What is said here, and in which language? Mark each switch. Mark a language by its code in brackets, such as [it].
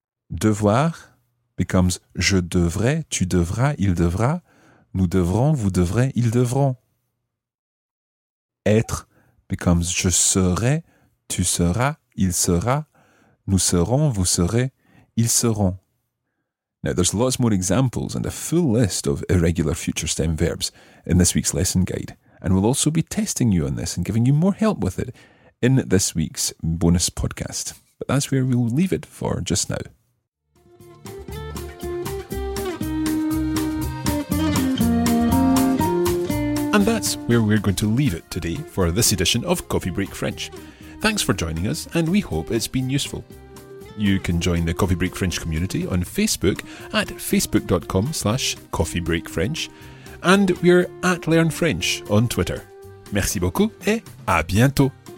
[fr] Devoir becomes je devrais, tu devras, il devra, nous devrons, vous devrez, ils devront. Être becomes je serai, tu seras, il sera, nous serons, vous serez, ils seront. [en] Now there's lots more examples and a full list of irregular future stem verbs in this week's lesson guide. And we'll also be testing you on this and giving you more help with it in this week's bonus podcast. But that's where we'll leave it for just now. And that's where we're going to leave it today for this edition of Coffee Break French. Thanks for joining us, and we hope it's been useful. You can join the Coffee Break French community on Facebook at facebook.com/coffeebreakfrench, and we're at Learn French on Twitter. [fr] Merci beaucoup et à bientôt!